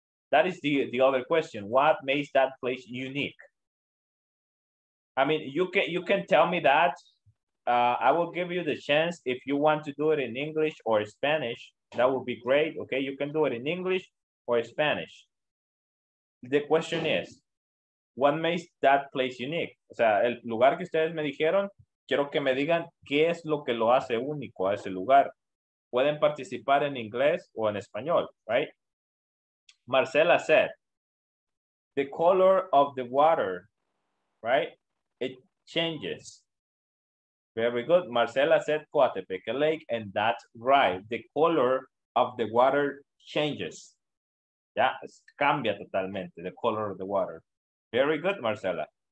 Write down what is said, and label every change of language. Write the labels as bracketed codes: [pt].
[en] That is the other question. What makes that place unique? I mean, you can tell me that I will give you the chance if you want to do it in English or Spanish. That would be great, okay? You can do it in English or Spanish. The question is, what makes that place unique? [es] O sea, el lugar que ustedes me dijeron, quiero que me digan qué es lo que lo hace único a ese lugar. Pueden participar en inglés o en español, right? [en] Marcela said, the color of the water, right? It changes. Very good. Marcela said Coatepeque Lake, and that's right. The color of the water changes. Yeah, [es] cambia totalmente, [en] the color of the water. Very good, Marcela.